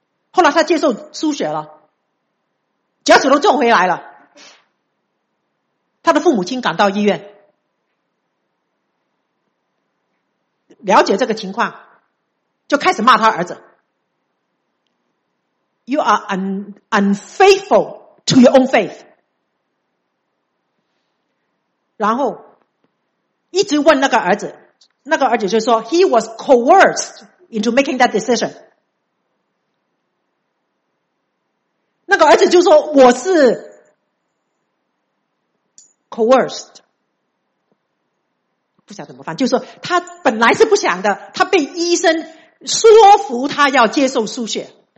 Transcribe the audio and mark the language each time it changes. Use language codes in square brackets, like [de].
[zh] 后来他接受输血了，脚趾头种回来了。他的父母亲赶到医院，了解这个情况，就开始骂他儿子。 [en] You are unfaithful to your own faith. [zh] 然后一直问那个儿子，那个儿子就说 [en] He was coerced into making that decision. [zh] 那个儿子就说我是 coerced， 不想怎么办，就说他本来是不想的，他被医生说服他要接受输血。